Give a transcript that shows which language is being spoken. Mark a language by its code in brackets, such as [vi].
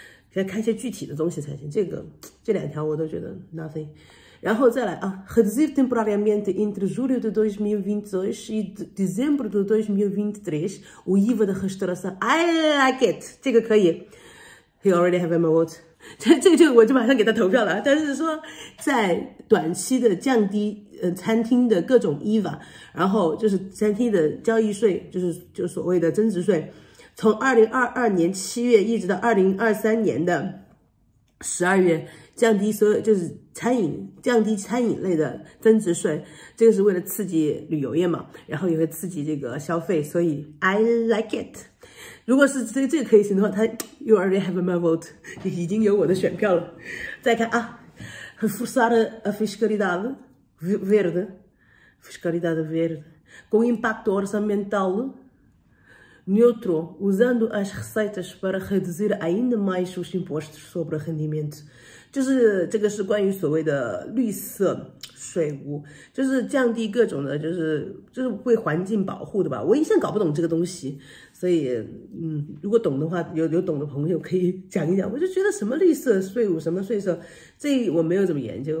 [zh] 给他看一些具体的东西才行。这两条我都觉得 [en] nothing. [zh] 然后再来啊 [pt] ，reduzir temporariamente entre julho de 2022 e dezembro de 2023 o IVA da restauração. [en] I like it. [zh] 这个可以。 [en] He already have my vote. [zh] 这个我就马上给他投票了。但是说在短期的降低餐厅的各种 IVA， 然后就是餐厅的交易税，就是所谓的增值税。从2022年7月一直到2023年12月，降低所有就是餐饮，降低餐饮类的增值税，这个是为了刺激旅游业嘛，然后也会刺激这个消费，所以 [en] I like it。 [zh] 如果是这个可以行的话，他 [en] you already have my vote， [zh] 你已经有我的选票了。再看啊 [pt] ，reforçar a fiscalidade verde， fiscalidade verde com impacto orçamental。 Neutro, usando as receitas para reduzir ainda mais os impostos sobre rendimento. [zh] 就是这个是关于所谓的绿色税务，就是降低各种的，就是为环境保护的吧。我一向搞不懂这个东西，所以如果懂的话，有懂的朋友可以讲一讲。我就觉得什么绿色税务，什么税收，这我没有怎么研究。